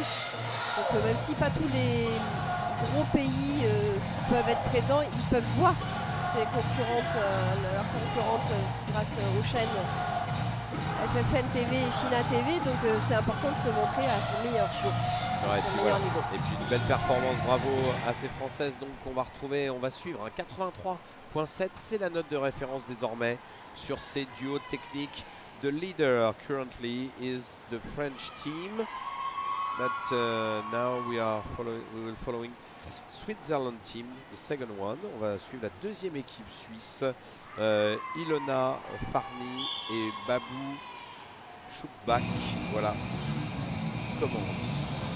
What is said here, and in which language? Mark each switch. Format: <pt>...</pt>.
<fr>Donc même si pas tous les gros pays peuvent être présents, ils peuvent voir ses concurrentes, leurs concurrentes grâce aux chaînes FFN TV et FINA TV. Donc c'est important de se montrer à son meilleur jour. Ouais, et puis une belle performance, bravo à ces Françaises. Donc on va retrouver, on va suivre hein, 83,7, c'est la note de référence désormais sur ces duos techniques.</fr> <en>The leader currently is the French team, but now we will following Switzerland team, the second one.</en> <fr>On va suivre la deuxième équipe suisse, Ilona Farni et Babou Choubak. Voilà, commence.</fr>